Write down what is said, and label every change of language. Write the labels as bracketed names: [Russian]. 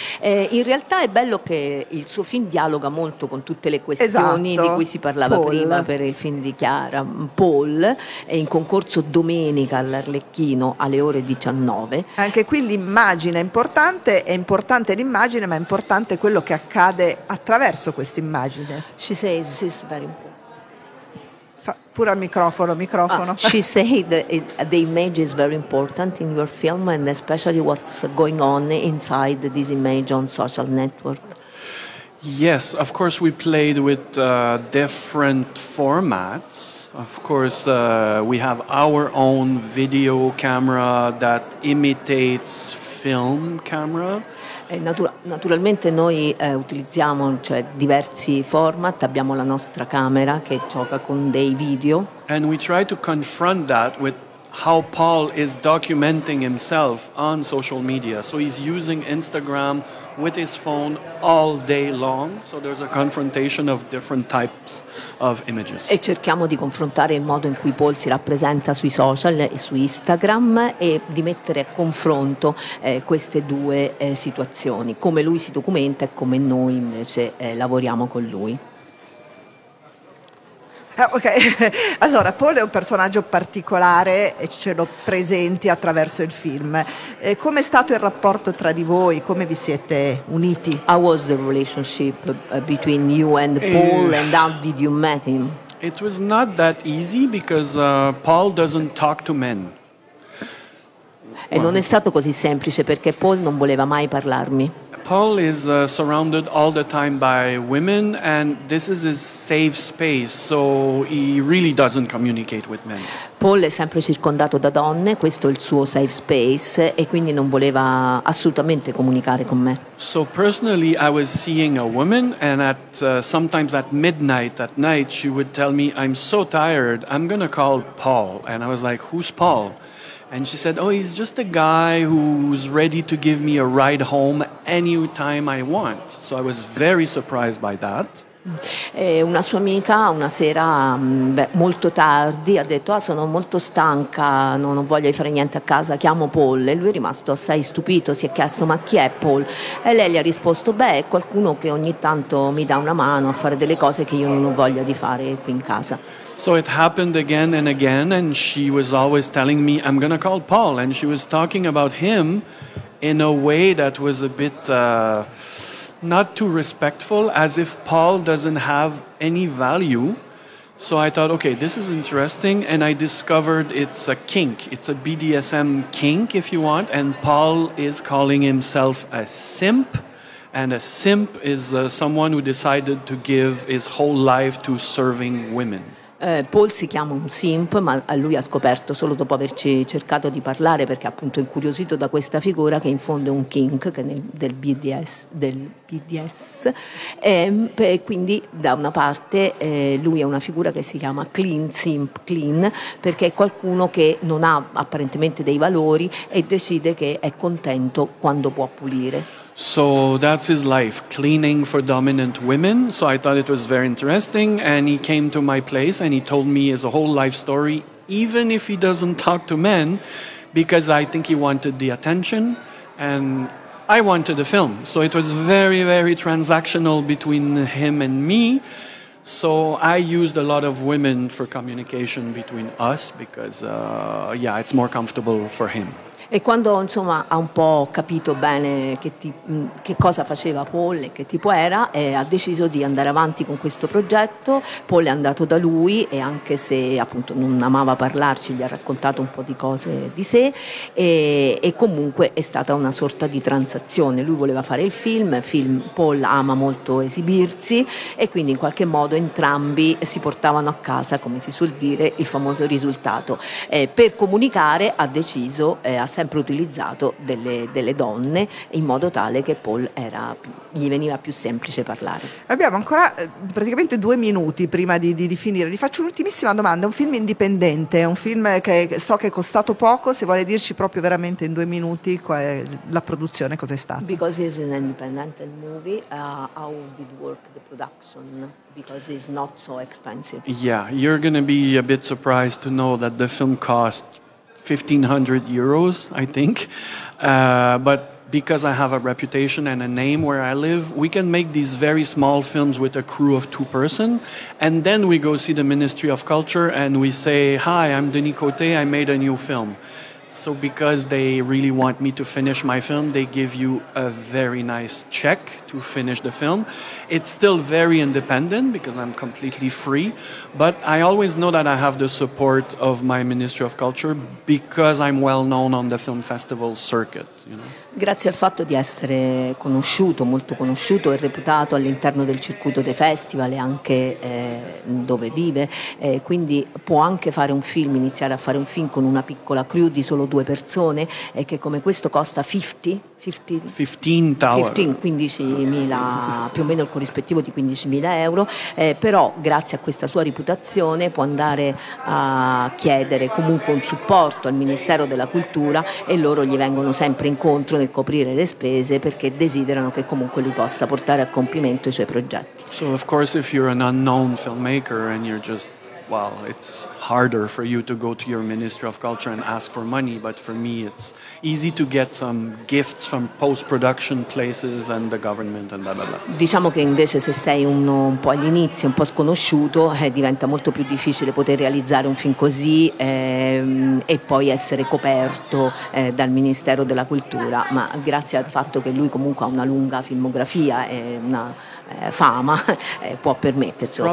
[Italian] In realtà è bello che il suo film dialoga molto con tutte le questioni, esatto, di cui si parlava prima per il film di Chiara. Paul è in concorso domenica all'Arlecchino alle ore 19. Anche qui l'immagine è importante l'immagine, ma è importante quello che accade attraverso questa immagine. [English] She says she's very important. [Italian] Pure al microfono. [English] Ah, she said the image is very important in your film and especially what's going on inside this image on social network. Yes, of course we played with different formats. Of course we have our own video camera that imitates film camera. [Italian] Naturalmente noi utilizziamo diversi format, abbiamo la nostra camera che gioca con dei video. [English] And we try to confront that with how Paul is documenting himself on social media. So he's using Instagram with his phone all day long. So there's a confrontation of different types of images. [Italian] E cerchiamo di confrontare il modo in cui Paul si rappresenta sui social e su Instagram e di mettere a confronto queste due situazioni, come lui si documenta e come noi invece lavoriamo con lui. Ok, allora Paul è un personaggio particolare e ce lo presenti attraverso il film. Come è stato il rapporto tra di voi? Come vi siete uniti? [English] How was the relationship between you and Paul and how did you meet him? It was not that easy because Paul doesn't talk to men. [Italian] E non è stato così semplice perché Paul non voleva mai parlarmi. [English] Paul is surrounded all the time by women and this is his safe space, so he really doesn't communicate with men. [Italian] Paul è sempre circondato da donne, questo è il suo safe space e quindi non voleva assolutamente comunicare con me. [English] So personally I was seeing a woman and sometimes at midnight, at night, she would tell me, I'm so tired, I'm gonna call Paul. And I was like, who's Paul? And she said, oh, he's just a guy who's ready to give me a ride home any time I want. So I was very surprised by that. [Italian] Una sua amica una sera molto tardi ha detto, ah, sono molto stanca, non voglio fare niente a casa, chiamo Paul. E lui è rimasto assai stupito, si è chiesto, ma chi è Paul? E lei gli ha risposto, beh, è qualcuno che ogni tanto mi dà una mano a fare delle cose che io non ho voglia di fare qui in casa. [English] So it happened again and again and she was always telling me, I'm gonna call Paul. And she was talking about him in a way that was a bit not too respectful, as if Paul doesn't have any value. So I thought, okay, this is interesting, and I discovered it's a kink. It's a BDSM kink, if you want, and Paul is calling himself a simp, and a simp is someone who decided to give his whole life to serving women. [Italian] Paul si chiama un simp, ma lui ha scoperto solo dopo averci cercato di parlare, perché appunto è incuriosito da questa figura che in fondo è un kink, che è del BDS, quindi da una parte lui è una figura che si chiama clean simp, clean, perché è qualcuno che non ha apparentemente dei valori e decide che è contento quando può pulire. [English] So that's his life, cleaning for dominant women. So I thought it was very interesting, and he came to my place and he told me his whole life story, even if he doesn't talk to men, because I think he wanted the attention and I wanted the film. So it was very, very transactional between him and me. So I used a lot of women for communication between us, because it's more comfortable for him. [Italian] E quando insomma ha un po' capito bene che cosa faceva Paul e che tipo era, ha deciso di andare avanti con questo progetto. Paul è andato da lui e, anche se appunto non amava parlarci, gli ha raccontato un po' di cose di sé, e comunque è stata una sorta di transazione. Lui voleva fare il film, Paul ama molto esibirsi, e quindi in qualche modo entrambi si portavano a casa, come si suol dire, il famoso risultato. Per comunicare ha deciso, ha sempre utilizzato delle donne, in modo tale che Paul gli veniva più semplice parlare. Abbiamo ancora praticamente 2 minuti prima di finire. Gli faccio un'ultimissima domanda. È un film indipendente, è un film che so che è costato poco. Se vuole dirci proprio veramente in 2 minuti qual è la produzione, cos'è stata? [English] Because it's an independent movie, how did work the production? Because it's not so expensive. Yeah, you're gonna be a bit surprised to know that the film cost 1500 euros, I think. But because I have a reputation and a name where I live, we can make these very small films with a crew of 2 person. And then we go see the Ministry of Culture and we say, hi, I'm Denis Côté, I made a new film. So because they really want me to finish my film, they give you a very nice check to finish the film. It's still very independent because I'm completely free, but I always know that I have the support of my Ministry of Culture because I'm well known on the film festival circuit, you know. [Italian] Grazie al fatto di essere conosciuto, molto conosciuto e reputato all'interno del circuito dei festival e anche dove vive, quindi può anche fare un film, iniziare a fare un film con una piccola crew di solo 2 persone, e che come questo costa 15.000, più o meno il corrispettivo di 15.000 euro, però grazie a questa sua reputazione può andare a chiedere comunque un supporto al Ministero della Cultura, e loro gli vengono sempre incontro nel coprire le spese, perché desiderano che comunque lui possa portare a compimento i suoi progetti. [English] So of course if you're an unknown filmmaker and you're just, well, it's harder for you to go to your Ministry of Culture and ask for money, but for me it's easy to get some gifts from post-production places and the government and blah blah blah. [Italian] Diciamo che invece se sei uno un po' all'inizio, un po' sconosciuto, diventa molto più difficile poter realizzare un film così e poi essere coperto dal Ministero della Cultura. Ma grazie al fatto che lui comunque ha una lunga filmografia e una fama, può permetterselo.